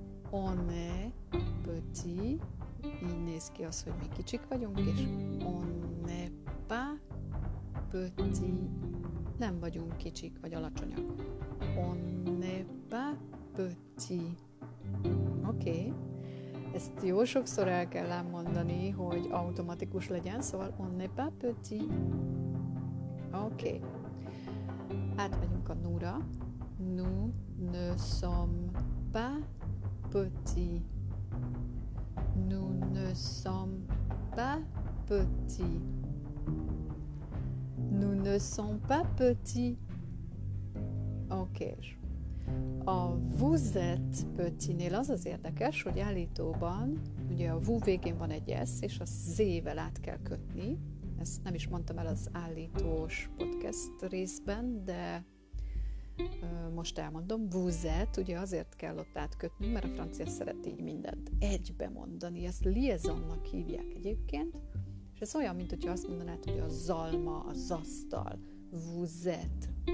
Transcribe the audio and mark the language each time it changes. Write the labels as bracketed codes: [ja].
[fr] On est petit, [hu] így néz ki az, hogy mi kicsik vagyunk, és [fr] on n'est pas petit, [hu] nem vagyunk kicsik, vagy alacsonyak. [fr] On n'est pas petit. [hu] Oké, [fr] okay. [hu] Ezt jó sokszor el kell mondani, hogy automatikus legyen, szóval [fr] on n'est pas petit. [hu] Oké, okay. [fr] Átmegyünk a nura. Nous ne sommes pas petits. Nous ne sommes pas petits. Nous ne sommes pas petits. Ok. A vous êtes petit. [hu] Nél az az érdekes, hogy állítóban, ugye a vous végén van egy s, és a z-vel át kell kötni. Ezt nem is mondtam el az állítós podcast részben, de most elmondom, [fr] vous êtes, [hu] ugye azért kell ott átkötnünk, mert a francia szereti így mindent egybe mondani, ezt liaisonnak hívják egyébként, és ez olyan, mint hogyha azt mondanád, hogy a zalma, az asztal, vous êtes.